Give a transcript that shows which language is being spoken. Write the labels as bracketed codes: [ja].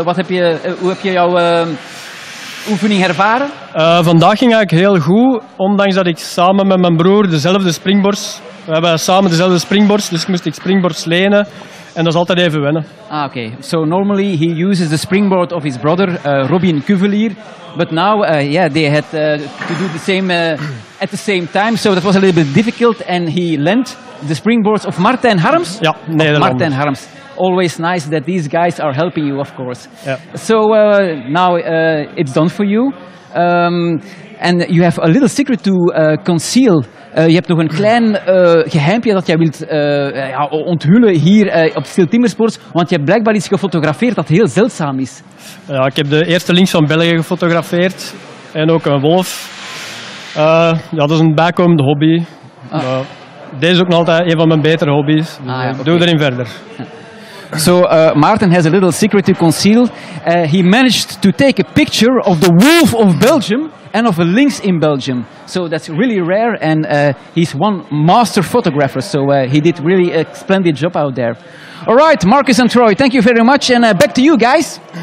[nl] Hoe heb je jouw oefening ervaren? Vandaag ging eigenlijk heel goed, ondanks dat ik samen met mijn broer dezelfde springboards. We hebben samen dezelfde springboards, dus ik moest ik springboards lenen. En dat is altijd even wennen. [en] Ah, okay. So normally he uses the springboard of his brother, Robin Cuvelier. But now, they had to do the same at the same time. So that was a little bit difficult. And he lent the springboards of Martijn Harms. [nl] Ja, Nederland. Martijn Harms. [en] Always nice that these guys are helping you, of course. [nl] Ja. [en] So now it's done for you. And you have a little secret to conceal. [nl] Je hebt nog een klein geheimpje dat jij wilt onthullen hier op STIHL TIMBERSPORTS, want je hebt blijkbaar iets gefotografeerd dat heel zeldzaam is. Ja, ik heb de eerste links van België gefotografeerd en ook een wolf. Dat is een bijkomende hobby. Deze is ook nog altijd een van mijn betere hobby's. Doe erin verder. [en] So Maarten has a little secret to conceal. He managed to take a picture of the wolf of Belgium and of a lynx in Belgium. So that's really rare, and he's one master photographer. So he did really a splendid job out there. All right, Marcus and Troy, thank you very much, and back to you guys.